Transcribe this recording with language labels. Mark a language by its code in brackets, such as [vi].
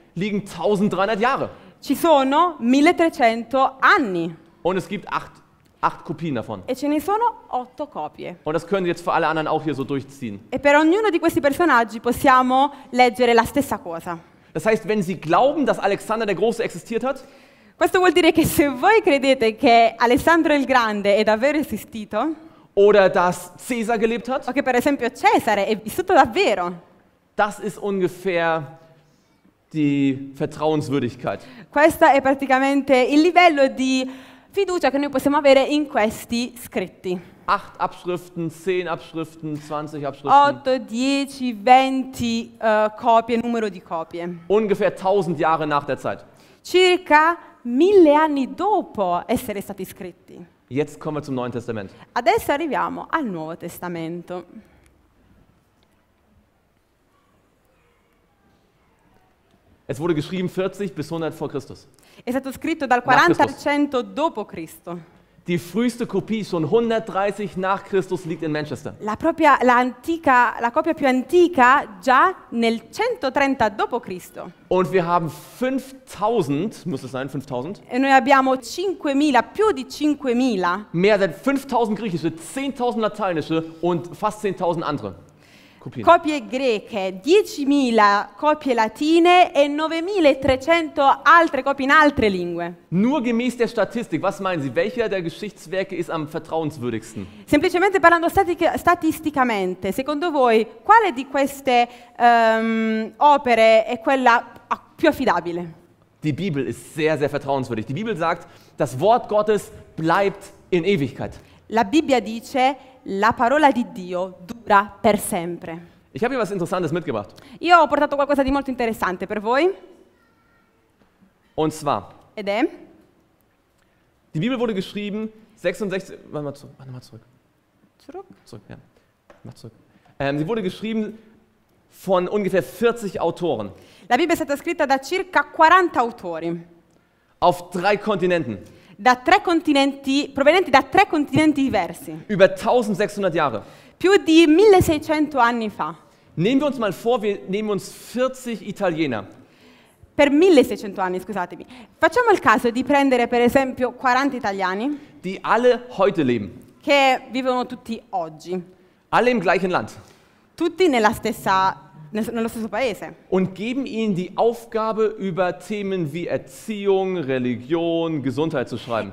[de] Liegen 1300 Jahre. [it] Ci sono 1300 anni. [de] Und es gibt acht Kopien davon. [it] E ce ne sono 8 copie. [de] Und das können jetzt für alle anderen auch hier so durchziehen. [it] E per ognuno di questi personaggi possiamo leggere la stessa cosa. [de] Das heißt, wenn Sie glauben, dass Alexander der Große existiert hat? [it] Questo vuol dire che se voi credete che Alessandro il Grande è davvero esistito? [de] Oder dass Caesar gelebt hat? [it] O che per esempio Cesare è vissuto davvero? [de] Das ist ungefähr die Vertrauenswürdigkeit. [it] Questa è praticamente il livello di fiducia che noi possiamo avere in questi scritti. [de] 8 Abschriften, 10 Abschriften, 20 Abschriften. [it] 8, 10, 20 copie, numero di copie. [de] Ungefähr 1000 Jahre nach der Zeit. [it] Circa 1000 anni dopo essere stati scritti. [de] Jetzt kommen wir zum Neuen Testament. [it] Adesso arriviamo al Nuovo Testamento. [de] Es wurde geschrieben 40 bis 100 vor Christus. [it] È stato scritto dal 40 al 100 dopo Cristo. [de] Die früheste Kopie schon 130 nach Christus liegt in Manchester. [it] La copia più antica già nel 130 dopo Cristo. [de] Und wir haben 5000, muss es sein, 5000? [it] E noi abbiamo 5000, più di 5000. [de] Mehr als 5000 griechische, 10000 lateinische und fast 10000 andere. [it] Copie greche, 10.000 copie latine e 9.300 altre copie in altre lingue. [de] Nur gemäß der Statistik, was meinen Sie, welcher der Geschichtswerke ist am vertrauenswürdigsten? [it] Semplicemente parlando statisticamente, secondo voi, quale di queste opere è quella più affidabile? [de] Die Bibel ist sehr, sehr vertrauenswürdig. Die Bibel sagt, das Wort Gottes bleibt in Ewigkeit. [it] La Bibbia dice, la parola di Dio dura per sempre. [de] Ich habe hier was Interessantes mitgebracht. [it] Io ho portato qualcosa di molto interessante per voi. [de] Und zwar. [it] Ed è. [de] Die Bibel wurde geschrieben 66. Warte mal zurück. Zurück? Zurück, ja. Mach zurück. Sie wurde geschrieben von ungefähr 40 Autoren. [it] La Bibbia è stata scritta da circa 40 autori. [de] Auf drei Kontinenten. [it] Da tre continenti, provenienti da tre continenti diversi. [de] Über 1600 Jahre. [it] Più di 1600 anni fa. [de] Nehmen wir uns mal vor, wir nehmen uns 40 Italiener. [it] Per 1600 anni, scusatemi. Facciamo il caso di prendere per esempio 40 italiani. [de] Die alle heute leben. [it] Che vivono tutti oggi. [de] Alle im gleichen Land. [it] Tutti nello stesso paese. [de] Und geben ihnen die Aufgabe über Themen wie Erziehung, Religion, Gesundheit zu schreiben.